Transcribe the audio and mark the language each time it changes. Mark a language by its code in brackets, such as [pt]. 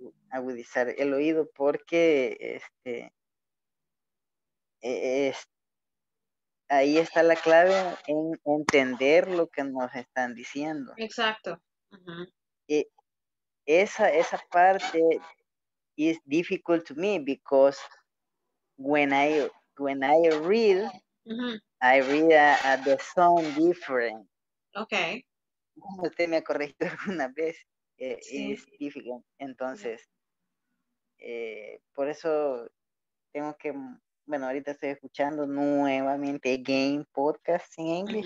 [es] Agudizar el oído porque ahí está la clave en entender lo que nos están diciendo. Exacto. Uh-huh. Esa parte [en] is difficult to me because when I read, uh-huh, I read at the sound different. Okay. [es] Como usted me ha corregido alguna vez, es difícil. Entonces, por eso tengo que, bueno, ahorita estoy escuchando nuevamente Game Podcast en inglés.